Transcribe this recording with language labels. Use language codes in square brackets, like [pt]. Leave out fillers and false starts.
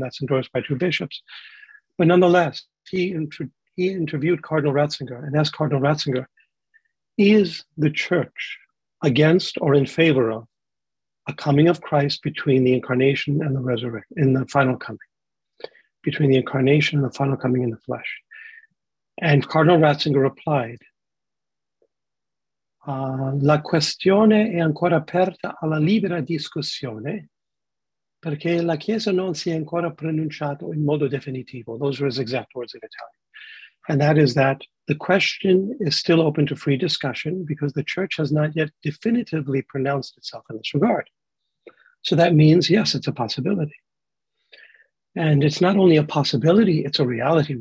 [en] That's endorsed by two bishops. But nonetheless, he interviewed Cardinal Ratzinger and asked Cardinal Ratzinger, is the church against or in favor of a coming of Christ between the incarnation and the resurrection, in the final coming, between the incarnation and the final coming in the flesh? And Cardinal Ratzinger replied, [it] la questione è ancora aperta alla libera discussione perché la Chiesa non si è ancora pronunciato in modo definitivo. [en] Those were his exact words in Italian. And that is that the question is still open to free discussion because the church has not yet definitively pronounced itself in this regard. So that means, yes, it's a possibility. And it's not only a possibility, it's a reality.